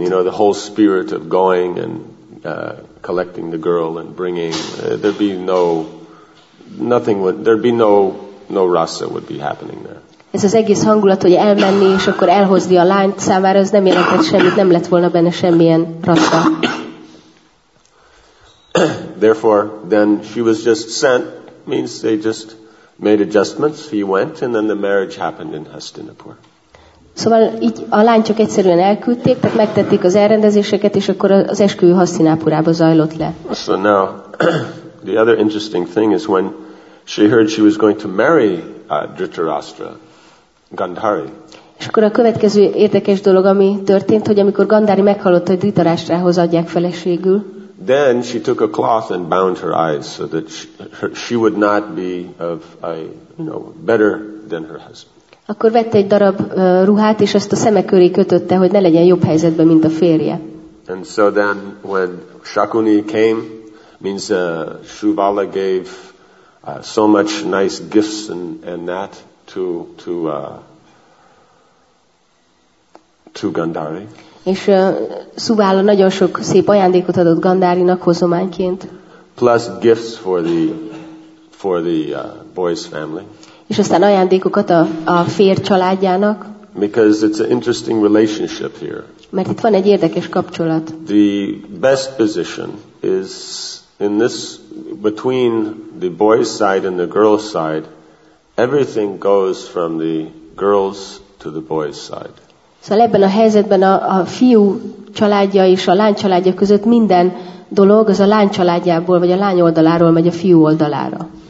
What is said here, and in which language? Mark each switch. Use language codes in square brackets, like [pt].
[en] You know, the whole spirit of going and collecting the girl and bringing, there'd be no rasa would be happening there. [hu] Ez az egész hangulat, hogy elmenni és akkor elhozni a lányt, számára ez nem jelentett semmit, nem lett volna benne semmilyen rasa. [en] Therefore, then she was just sent, means they just made adjustments, he went, and then the marriage happened in Hastinapur. [hu] Szóval így a lányt csak egyszerűen elküldték, tehát megtették az elrendezéseket, és akkor az esküvő Hasztinápurába zajlott le. [en] So now, the other interesting thing is when she heard she was going to marry Dhritarashtra, Gandhari. [hu] És akkor a következő érdekes dolog, ami történt, hogy amikor Gandhari meghallotta, hogy Dhritarashtrához adják feleségül. [en] Then she took a cloth and bound her eyes so that she would not be of a, you know, better than her husband. [hu] Akkor vette egy darab ruhát, és ezt a szemek köré kötötte, hogy ne legyen jobb helyzetben, mint a férje. [en] And so then, when Shakuni came, means Shuvala gave so much nice gifts and that to Gandhari. [hu] És Shuvala nagyon sok szép ajándékot adott Gandharinak hozományként. [en] Plus gifts for the boy's family. [hu] És aztán ajándékokat a fér családjának. [en] Because it's an interesting relationship here. [hu] Mert itt van egy érdekes kapcsolat. [en] The best position is in this between the boy's side and the girl's side. Everything goes from the girl's to the boy's side. [hu] Szóval ebben a helyzetben a fiú családja és a lány családja között minden dolog az a lány családjából vagy a lány oldaláról megy a fiú oldalára.